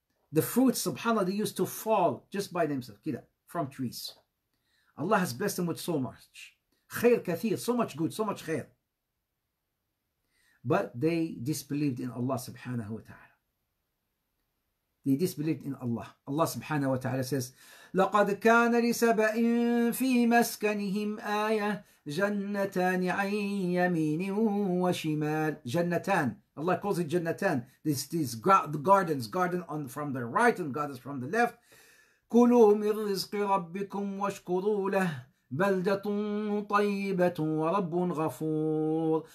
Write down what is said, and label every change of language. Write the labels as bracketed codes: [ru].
[en] The fruits, subhanAllah, they used to fall just by themselves, kida, from trees. Allah has blessed them with so much. [ar] Khair kathir, [en] so much good, so much khair. But they disbelieved in Allah subhanahu wa ta'ala. They disbelieved in Allah. Allah subhanahu wa ta'ala says, [ar] لقد كان لسبأ في مسكنهم آية جنتان عن يمين وشمال. جنتان. [en] Allah calls it جنتان. These gardens, garden on from the right and gardens from the left. [ar] كلوا من رزق ربكم واشكروا له بلدة طيبة ورب غفور.